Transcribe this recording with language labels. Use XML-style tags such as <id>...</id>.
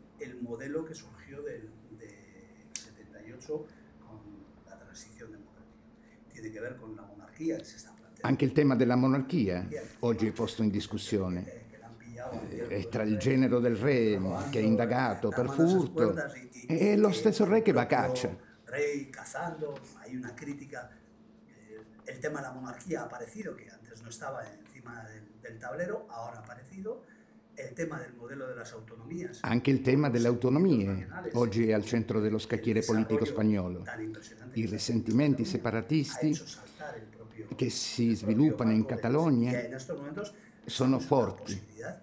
<it>Il modello che surgiò nel 78 con la transizione democratica. Tiene a che vedere con la monarchia che si sta plantando. Anche il tema della monarchia oggi è posto in discussione. È tra il genero del re che è indagato per furto e lo stesso re che va a caccia.</it> <es>Rey cazando, hay una crítica, el tema de la monarquía ha aparecido, que antes no estaba encima del tablero, ahora ha aparecido, el tema del modelo de las autonomías.</es> <it>Anche il tema delle autonomie, oggi è al centro dello scacchiere politico spagnolo. I risentimenti separatisti che si sviluppano in Catalogna sono forti.</it>